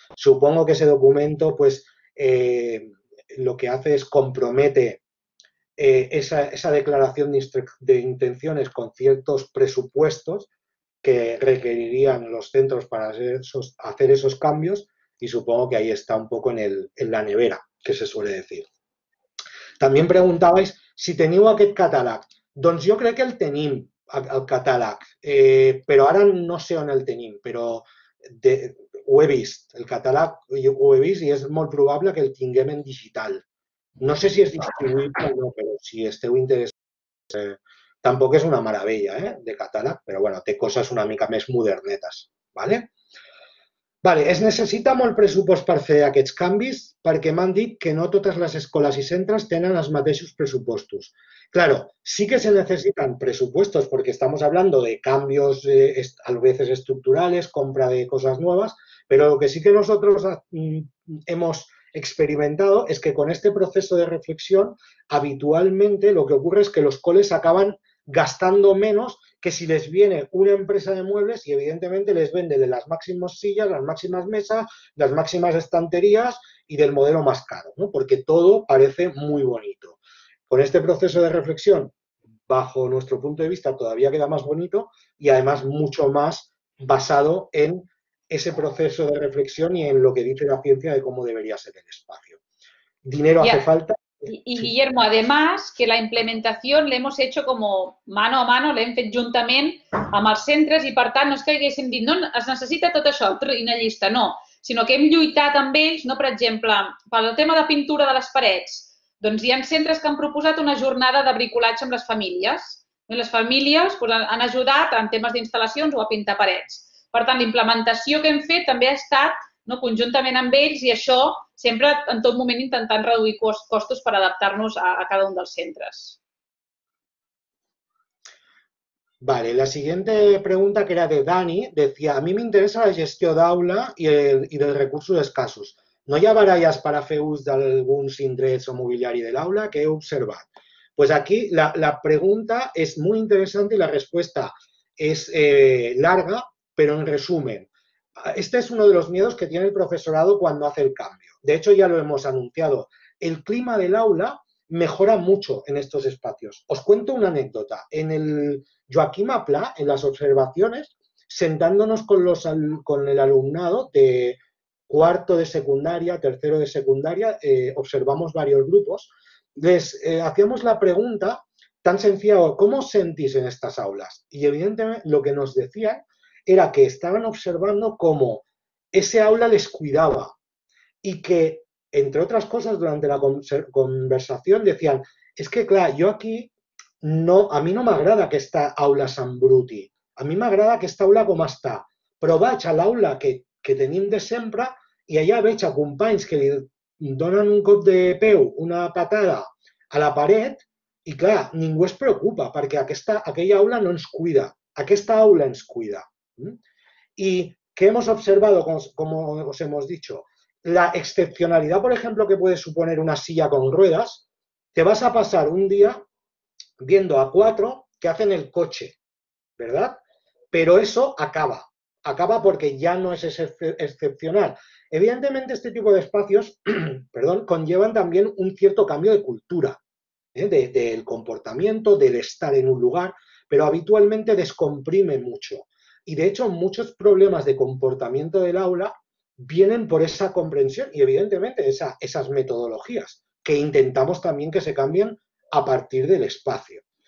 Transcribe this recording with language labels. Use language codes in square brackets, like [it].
[es] Supongo que ese documento, pues, lo que hace es compromete esa declaración de intenciones con ciertos presupuestos que requerirían los centros para hacer esos cambios y supongo que ahí está un poco en la nevera, que se suele decir. También preguntabais si [ca] teniu aquest catàleg. Doncs jo crec que el tenim, el catàleg, però ara no sé on el tenim, però ho he vist, el català ho he vist i és molt probable que el tinguem en digital. No sé si és distribuïble o no, però si esteu interessats, tampoc és una meravella, de català, però bueno, té coses una mica més modernetes, vale? Vale, es necessita molt pressupost per fer aquests canvis perquè m'han dit que no totes les escoles i centres tenen els mateixos pressupostos. [es] Claro, sí que se necesitan presupuestos porque estamos hablando de cambios a veces estructurales, compra de cosas nuevas, pero lo que sí que nosotros hemos experimentado es que con este proceso de reflexión, habitualmente lo que ocurre es que los coles acaban gastando menos que si les viene una empresa de muebles y evidentemente les vende de las máximas sillas, las máximas mesas, las máximas estanterías y del modelo más caro, ¿no? Porque todo parece muy bonito. Con este proceso de reflexión, bajo nuestro punto de vista, todavía queda más bonito y además mucho más basado en ese proceso de reflexión y en lo que dice la ciencia de cómo debería ser el espacio. Dinero hace falta. Y Guillermo, además, que la implementación la hemos hecho como mano a mano, la hemos hecho juntamente [ca] amb els centres i per tant no es que haguéssim dit no, es necessita tot això, una llista, no, sinó que hem lluitat amb ells, no, per exemple, pel tema de pintura de les parets, doncs hi ha centres que han proposat una jornada de bricolatge amb les famílies. I les famílies doncs, han ajudat en temes d'instal·lacions o a pintar parets. Per tant, l'implementació que hem fet també ha estat, no, conjuntament amb ells i això sempre en tot moment intentant reduir costos per adaptar-nos a cada un dels centres. [es] Vale, la siguiente pregunta que era de Dani, decía, a mí me interesa la gestión de aula y de recursos escasos. [ca] ¿No hi ha baralles per a fer ús d'alguns indrets o mobiliari de l'aula? Què he observat? Pues aquí la pregunta és molt interessant i la resposta és larga, però [es] en resumen. Este es uno de los miedos que tiene el profesorado cuando hace el cambio. De hecho, ya lo hemos anunciado. El clima del aula mejora mucho en estos espacios. Os cuento una anécdota. En el Joaquim Apla, en las observaciones, sentándonos con el alumnado de cuarto de secundaria, tercero de secundaria, observamos varios grupos, les hacíamos la pregunta tan sencilla, ¿cómo os sentís en estas aulas? Y evidentemente lo que nos decían era que estaban observando cómo ese aula les cuidaba y que, entre otras cosas, durante la conversación decían, es que, claro, yo aquí, no, a mí no me agrada que esta aula sea bruti, a mí me agrada que esta aula como está, [ca] pero vaig a l'aula que tenim de sempre i allà veig a companys que li donen un cop de peu, una patada a la paret i clar, ningú es preocupa perquè aquella aula no ens cuida, aquesta aula ens cuida. I què hem observat, com us hem dit? La excepcionalitat, per exemple, que pot suposar una silla amb rodes, [es] te vas a [ca] passar un dia viendo a quatre [es] que hacen [ca] el cotxe, ¿verdad? Però això acaba. [es] Acaba porque ya no es excepcional. Evidentemente, este tipo de espacios, perdón, conllevan también un cierto cambio de cultura, del comportamiento, del estar en un lugar, pero habitualmente descomprime mucho. Y de hecho, muchos problemas de comportamiento del aula vienen por esa comprensión y evidentemente esas metodologías que intentamos también que se cambien a partir del espacio.